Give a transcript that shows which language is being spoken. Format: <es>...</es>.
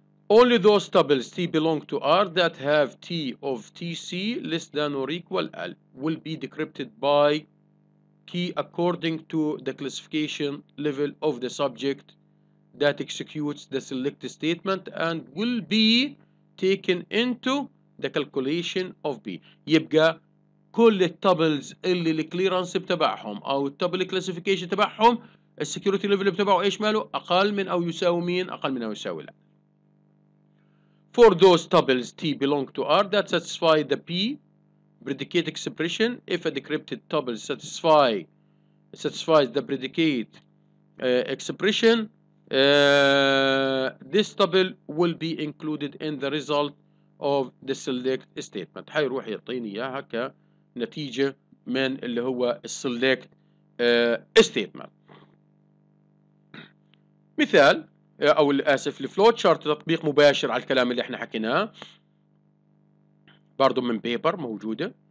<en>Only those tuples T belong to R that have T of TC less than or equal L will be decrypted by key according to the classification level of the subject that executes the select statement and will be taken into the calculation of B.</en> <ar>يبقى كل tuples اللي الكليرانس بتبعهم أو التوبل كلاسيفيكيشن تبعهم السكيورتي ليفل بتبعه ايش ماله؟ أقل من أو يساوي مين؟ أقل من أو يساوي لا.</ar> <en>For those tuples T belong to R that satisfy the P predicate expression, if a decrypted tuple satisfies the predicate expression, this tuple will be included in the result of the select statement.</en> <ar>حيروح يعطيني إياها كنتيجة من اللي هو select statement. مثال او للاسف الفلوت شارت تطبيق مباشر على الكلام اللي احنا حكيناه برضو من بيبر موجوده.</ar>